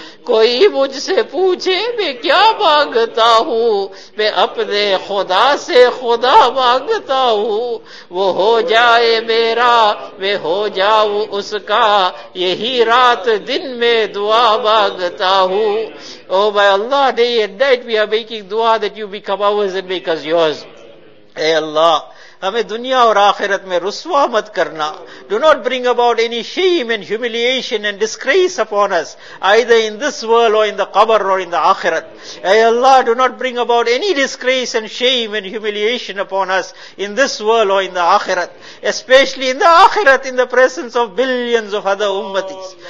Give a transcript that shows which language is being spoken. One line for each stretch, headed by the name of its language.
Urdu: کوئی مجھ سے پوچھے میں کیا مانگتا ہوں، میں اپنے خدا سے خدا مانگتا ہوں، وہ ہو جائے میرا میں ہو جاؤں اس کا، یہی رات دن میں دعا مانگتا ہوں.
English: Oh my Allah, day and night we are making dua that you become ours and make us yours.
Urdu: اے اللہ ہمیں دنیا اور آخرت میں رسوا مت کرنا.
English: Do not bring about any shame and humiliation and disgrace upon us, either in this world or in the qabr or in the akhirat. Ay Allah, do not bring about any disgrace and shame and humiliation upon us in this world or in the akhirat, especially in the akhirat, in the presence of billions of other ummatis.